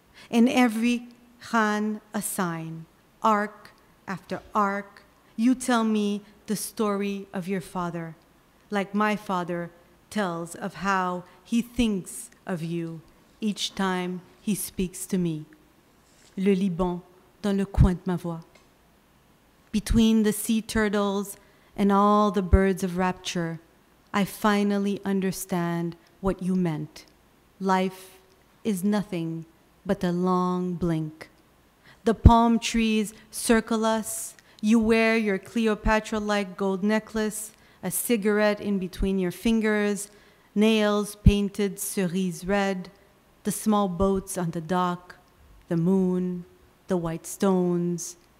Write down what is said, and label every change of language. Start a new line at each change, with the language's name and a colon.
English: In every Khan, a sign, arc after arc. You tell me the story of your father, like my father tells of how he thinks of you each time he speaks to me.
French: Le Liban dans le coin de ma voix.
English: Between the sea turtles and all the birds of rapture, I finally understand what you meant. Life is nothing but a long blink. The palm trees circle us. You wear your Cleopatra-like gold necklace, a cigarette in between your fingers, nails painted cerise red, the small boats on the dock, the moon, the white stones.